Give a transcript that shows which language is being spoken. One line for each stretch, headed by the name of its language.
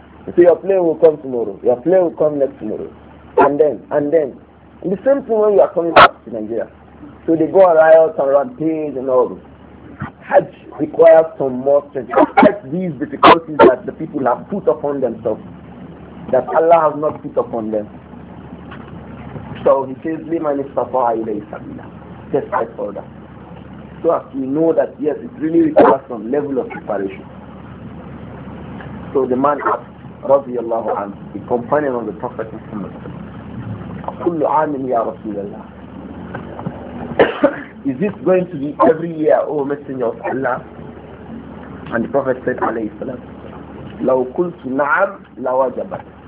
English: You say your plane will come tomorrow, your plane will come next tomorrow. And the same thing when you are coming back to Nigeria. So they go on riots and rampage and all this. Hajj requires some more strength, despite these difficulties that the people have put upon themselves, that Allah has not put upon them. So he says,
Arabic: لِمَنِ اسْتَطَعَ إِلَيْهِ سَبِيلًا.
English: Despite all that. So as we know that, yes, it really requires some level of preparation. So the man asked, radiallahu anhu, the companion of the Prophet Muhammad,
Arabic: كُلُّ عَامٍ يَا رَسُولَ اللَّهِ.
English: Is this going to be every year, O Messenger of Allah? And the Prophet said, alayhi salam,
Arabic: لَوْ كُلْتُ نَعَمْ لَوَجَبَتْ.